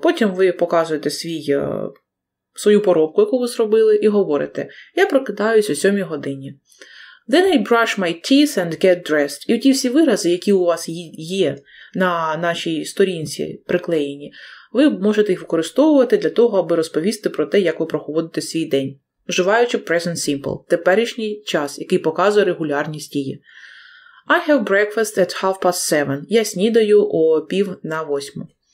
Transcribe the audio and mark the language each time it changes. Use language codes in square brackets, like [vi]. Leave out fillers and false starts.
[uk] Потім ви показуєте свою поробку, яку ви зробили, і говорите. Я прокидаюсь о 7 годині. [en] Then I brush my teeth and get dressed. [uk] І ті всі вирази, які у вас є на нашій сторінці приклеєні, ви можете їх використовувати для того, аби розповісти про те, як ви проходите свій день, вживаючи present simple – теперішній час, який показує регулярність дії. [en] I have breakfast at 7:30. [uk] Я снідаю о 7:30.